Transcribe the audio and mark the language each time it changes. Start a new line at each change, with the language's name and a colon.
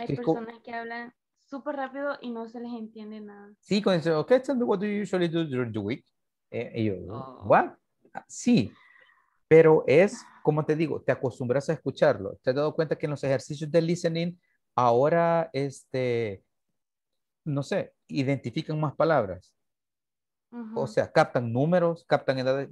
Spanish: Hay personas que hablan súper rápido y no se les entiende nada. Sí, cuando dicen,
English: okay, tell me, what do you usually do during the week? What?
Spanish: Sí, pero es, como te digo, te acostumbras a escucharlo. Te has dado cuenta que en los ejercicios de listening, ahora, no sé, identifican más palabras. Uh-huh. O sea, captan números, captan edades.